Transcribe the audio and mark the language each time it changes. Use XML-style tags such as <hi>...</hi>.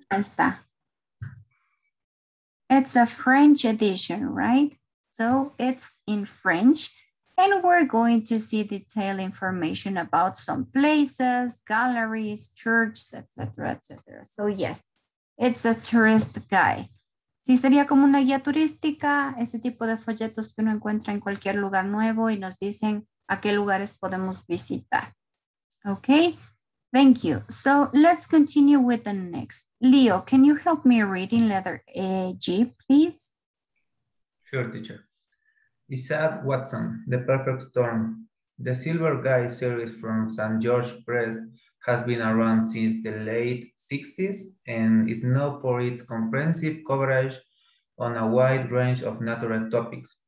<es>está?</es> <en>It's a French edition, right? So it's in French. And we're going to see detailed information about some places, galleries, churches, etc., etc. So yes, it's a tourist guide.</en> <es>Sí, sería como una guía turística, ese tipo de folletos que uno encuentra en cualquier lugar nuevo y nos dicen a qué lugares podemos visitar.</es> <en>Okay, thank you. So let's continue with the next. Leo, can you help me reading letter G, please? Sure, teacher. Isaac Watson, The Perfect Storm. The Silver Guy series from St. George Press has been around since the late 60s and is known for its comprehensive coverage on a wide range of natural topics.</en>